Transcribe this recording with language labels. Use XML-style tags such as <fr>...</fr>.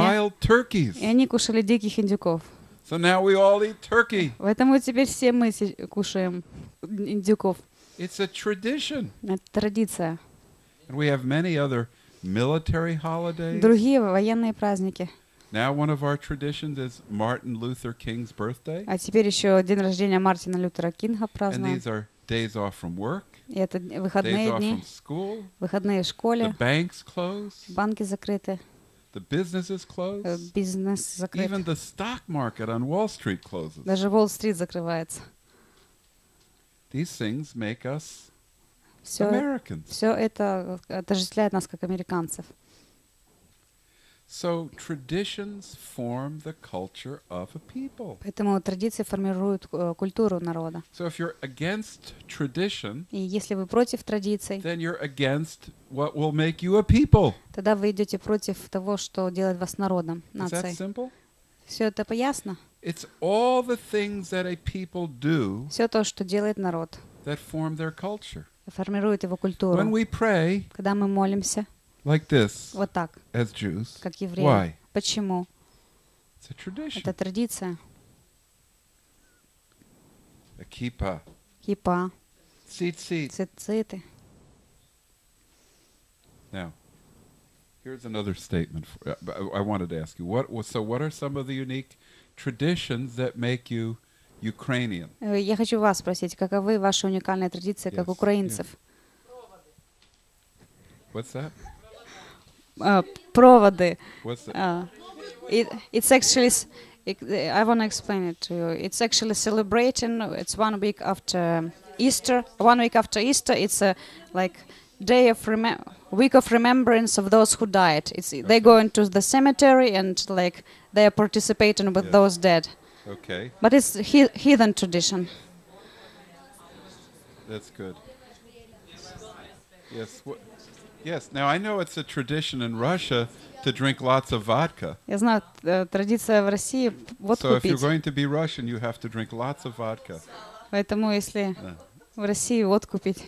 <en>and they ate wild turkeys.</en> <ru>И они кушали диких индюков.</ru> <en>So now we all eat turkey.</en> <ru>Поэтому теперь все мы кушаем индюков.</ru> <en>It's a tradition.</en> <ru>Это традиция.</ru> <en>And we have many other military holidays.</en> <ru>Другие военные праздники.</ru> <en>Now one of our traditions is Martin Luther King's birthday.</en> <ru>А теперь еще день рождения Мартина Лютера Кинга празднуем.</ru> <en>And these are days off from work.</en> <ru>И это выходные дни.</ru> <en>Days off from school.</en> <ru>Выходные в школе.</ru> <en>The banks closed.</en> <ru>Банки закрыты.</ru> <en>The businesses closed.</en> <ru>Бизнес закрыт.</ru> <en>Even the stock market on Wall Street closes.</en> <ru>Даже Уолл-стрит закрывается.</ru> <en>These things make us Americans.</en> <ru>Все это отождествляет нас как американцев.</ru> <en>So traditions form the culture of a people.</en> <ru>Поэтому традиции формируют культуру народа.</ru> <en>So if you're against tradition,</en> <ru>и если вы против традиций,</ru> <en>then you're against what will make you a people.</en> <ru>Тогда вы идете против того, что делает вас народом, нацией.</ru> <en>Is that simple?</en> <ru>Все это поясно?</ru> <en>It's all the things that a people do.</en> <ru>Все то, что делает народ.</ru> <en>That form their culture.</en> <ru>Формирует его культуру.</ru> <en>When we pray,</en> <ru>когда мы молимся.</ru> <en>Like this,</en> <ru>вот так,</ru> <en>as Jews.</en> <ru>Как евреи.</ru> <en>Why?</en> <ru>Почему?</ru> <en>It's a tradition.</en> <ru>Это традиция.</ru> <en>A kippa.</en> <ru>Кипа. Цицит. Цициты.</ru> <en>Now, here's another statement. I wanted to ask you, what are some of the unique traditions that make you Ukrainian?</en> <ru>Я хочу вас спросить, каковы ваши уникальные традиции как украинцев?</ru> <en>What's that?</en> <ru>проводы.</ru> <en>What's that? It's actually, I want to explain it to you. It's actually celebrating, it's 1 week after Easter. 1 week after Easter, it's a like day of week of remembrance of those who died. It's okay. They go into the cemetery and like they are participating with yes. those dead. Okay. But it's heathen tradition. That's good. Yes. Yes. Now I know it's a tradition in Russia to drink lots of vodka.</en> <ru>Я знаю, традиция в России водку пить.</ru> <en>So if you're going to be Russian, you have to drink lots of vodka.</en> <ru>Поэтому если в России водку пить.</ru>